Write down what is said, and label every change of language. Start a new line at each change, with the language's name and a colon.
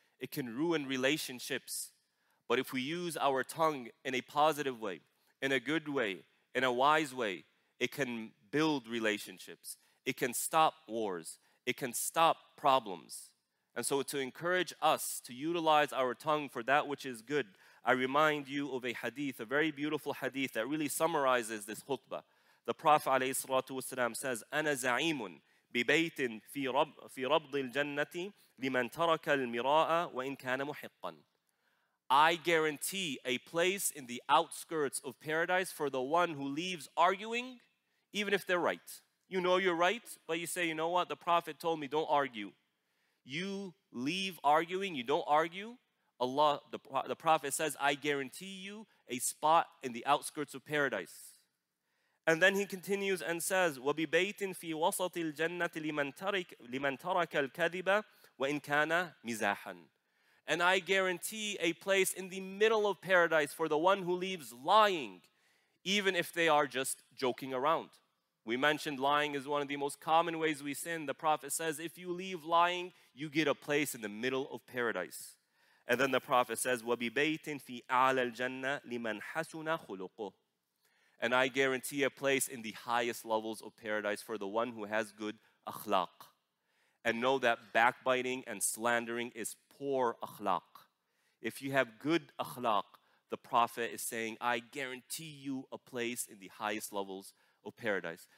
English: It can ruin relationships. But if we use our tongue in a positive way, in a good way, in a wise way, it can build relationships. It can stop wars. It can stop problems. And so to encourage us to utilize our tongue for that which is good, I remind you of a hadith, a very beautiful hadith that really summarizes this khutbah. The Prophet alayhi salatu wasalam says,
Arabic: أَنَا زَعِيمٌ بِبَيْتٍ فِي رَبْضِ الْجَنَّةِ لِمَنْ تَرَكَ الْمِرَاءَ وَإِنْ كَانَ مُحِقًّا.
English: I guarantee a place in the outskirts of paradise for the one who leaves arguing, even if they're right. You know you're right, but you say, you know what? The Prophet told me, don't argue. You leave arguing, you don't argue. Allah, the Prophet says, I guarantee you a spot in the outskirts of paradise. And then he continues and says,
Arabic: وَبِبَيْتٍ فِي وَسَطِ الْجَنَّةِ لِمَنْ تَرَكَ الْكَذِبَ وَإِنْ كَانَ مِزَاحًا.
English: And I guarantee a place in the middle of paradise for the one who leaves lying, even if they are just joking around. We mentioned lying is one of the most common ways we sin. The Prophet says, if you leave lying, you get a place in the middle of paradise. And then the Prophet says,
Arabic: وَبِبَيْتٍ فِي أَعْلَى الْجَنَّةِ لِمَنْ حَسُنَ خُلُقُهُ.
English: And I guarantee a place in the highest levels of paradise for the one who has good akhlaq. And know that backbiting and slandering is poor akhlaq. If you have good akhlaq, the Prophet is saying, I guarantee you a place in the highest levels of paradise.